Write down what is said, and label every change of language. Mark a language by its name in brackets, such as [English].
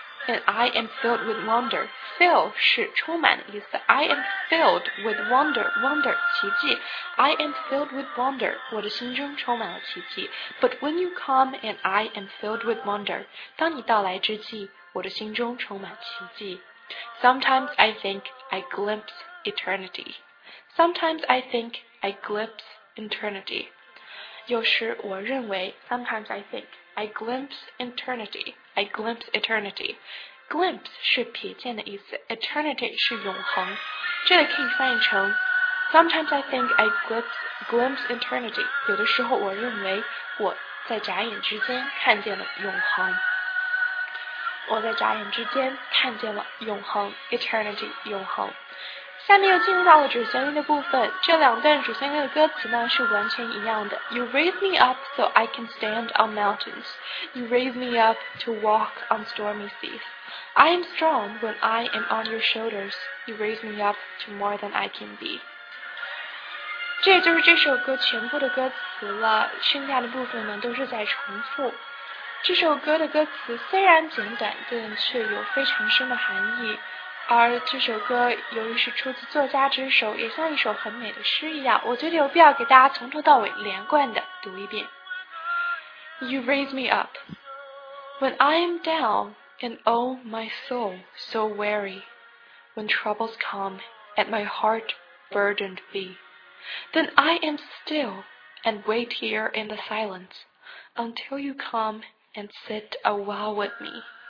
[English] and I am filled with wonder Fill [Chinese] 是充满的意思 [English] I am filled with wonder Wonder [Chinese] 奇迹 [English] I am filled with wonder [Chinese] 我的心中充满了奇迹 [English] But when you come and I am filled with wonder [Chinese] 当你到来之际我的心中充满奇迹 [English] Sometimes I think I glimpse eternity Sometimes I think I glimpse eternity [Chinese] 有时我认为 [English] Sometimes I think I glimpse eternity I glimpse eternity. [Chinese] Glimpse 是瞥见的意思 ,eternity 是永恒。这里可以翻译成 [English] Sometimes I think I glimpse eternity. [Chinese] 有的时候我认为我在眨眼之间看见了永恒。我在眨眼之间看见了永恒 ,eternity, 永恒。下面又进入到了主旋律的部分这两段主旋律的歌词呢是完全一样的 [English] You raise me up so I can stand on mountains You raise me up to walk on stormy seas I am strong when I am on your shoulders You raise me up to more than I can be [Chinese] 这就是这首歌全部的歌词了剩下的部分呢都是在重复这首歌的歌词虽然简短，但却有非常深的含义。而这首歌由于是出自作家之手，也像一首很美的诗一样，我觉得有必要给大家从头到尾连贯的读一遍。 [English] You raise me up when I am down, and oh my soul so weary, when troubles come and my heart burdened be, then I am still and wait here in the silence until you come and sit a while with me.